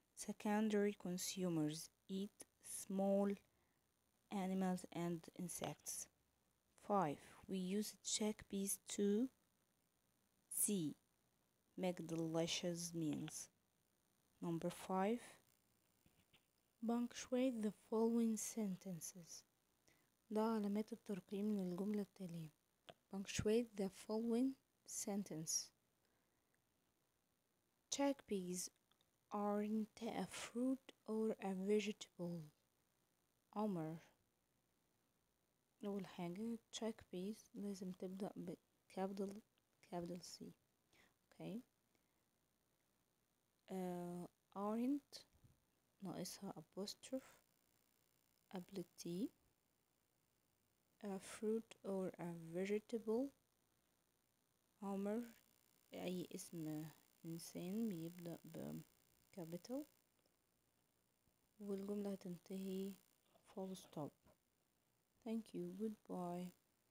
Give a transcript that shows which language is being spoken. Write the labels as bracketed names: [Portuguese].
[English] Secondary consumers eat small animals and insects. 5. We use chickpeas to C. Make delicious meals. Number 5. Punctuate the following sentences. [Arabic] ده علامات الترقيم للجملة التالية. [English] Punctuate the following sentence. Chickpeas aren't a fruit or a vegetable. عمر. [Arabic] أول حاجة chickpeas لازم تبدأ بكابيتال كابيتال C. [English] Okay. [Arabic] Aren't ناقصها apostrophe قبل T. [English] A fruit or a vegetable. [Arabic] عمر أي اسم إنسان بيبدأ بكابيتال والجملة هتنتهي [English] full stop. Thank you. Goodbye.